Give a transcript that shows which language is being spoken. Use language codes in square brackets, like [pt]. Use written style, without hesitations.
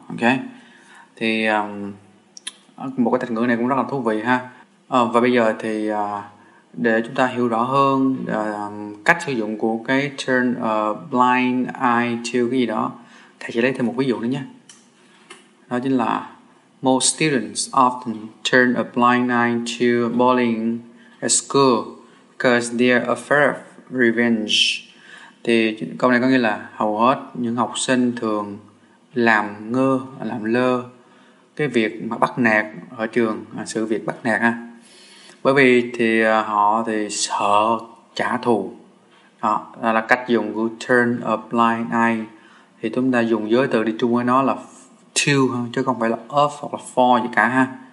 [vi] Ok, thì một cái thành ngữ này cũng rất là thú vị ha. Và bây giờ thì để chúng ta hiểu rõ hơn cách sử dụng của cái turn blind eye to cái gì đó, thầy sẽ lấy thêm một ví dụ nữa nhé. Đó chính là [en] most students often turn a blind eye to bullying at school because they're afraid of revenge. [vi] Thì câu này có nghĩa là hầu hết những học sinh thường làm ngơ, làm lơ cái việc mà bắt nạt ở trường, sự việc bắt nạt ha. Bởi vì thì họ thì sợ trả thù. Đó là cách dùng của turn a blind eye. Thì chúng ta dùng giới từ đi chung với nó là to, chứ không phải là of hoặc là for gì cả ha.